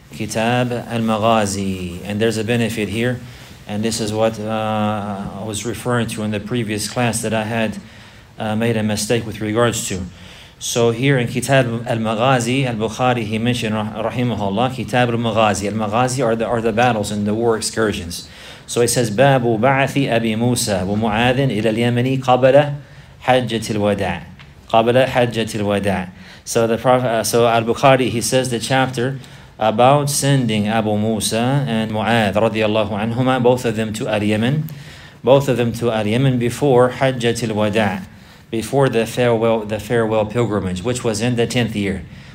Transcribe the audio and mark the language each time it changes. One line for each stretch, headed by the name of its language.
English: Kitab al-Maghazi, and there's a benefit here, and this is what I was referring to in the previous class that I had made a mistake with regards to. So here in Kitab al-Maghazi, al-Bukhari, he mentioned, rahimahullah, Kitab al-Maghazi. Al-Maghazi are the battles and the war excursions. So it says,
Arabic: بَابُ بَعَثِ أَبِي مُوسَى وَمُعَاذٍ إِلَى الْيَمَنِي قَبَلَ حَجَّةِ الْوَدَعِ قَبَلَ حَجَّةِ الْوَدَعِ.
English: So the Prophet, so al-Bukhari, he says the chapter about sending Abu Musa and Mu'adh radiallahu anhuma, both of them to al-Yemen, both of them to al-Yemen before حَجَّةِ الْوَدَعِ, before the farewell pilgrimage, which was in the 10th year.